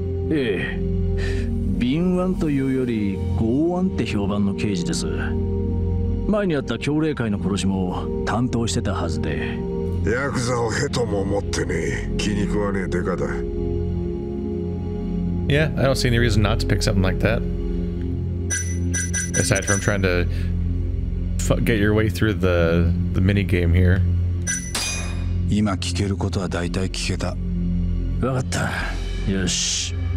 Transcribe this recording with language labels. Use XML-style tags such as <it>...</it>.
<ja>ええ。敏腕というより剛腕って評判の刑事です。前にあった強霊会の殺しも担当してたはずで。ヤクザをヘとも思ってね。気に食わねえデカだ。</ja> <en>Yeah, I don't see any reason not to pick something like that. Aside from trying to get your way through the mini game here.</en> <ja>今聞けることは大体聞けた。わかった。よし。</ja>